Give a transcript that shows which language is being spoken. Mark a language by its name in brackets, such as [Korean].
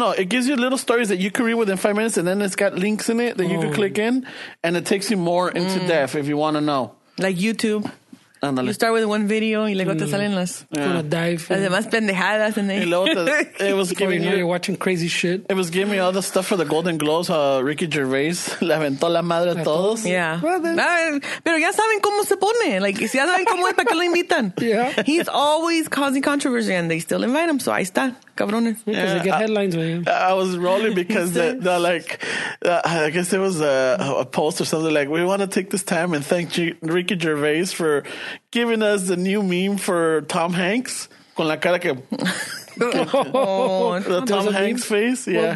[English] It gives you little stories that you can read within 5 minutes, and then it's got links in it that you can click in, and it takes you more into depth if you want to know. Like YouTube. [Spanish] Andale. [English] You start with one video [Spanish] y luego te salen las [English] dive. [Spanish] Las demás pendejadas. [English] And then it was giving you, you're watching crazy shit. It was giving me all the stuff for the Golden Globes. [Spanish] Ricky Gervais le aventó la madre a todos. Yeah. Pero ya saben cómo se pone. Like, si ya saben cómo es, ¿para qué lo invitan? [English] Yeah. He's always causing controversy and they still invite him. So [Spanish] ahí está. Cabrones. [English] Because they get headlines with him. I was rolling because I guess it was a post or something. Like, we want to take this time and thank Ricky Gervais for giving us the new meme for Tom Hanks [Spanish] con la cara que [English] the Tom Hanks face. Yeah,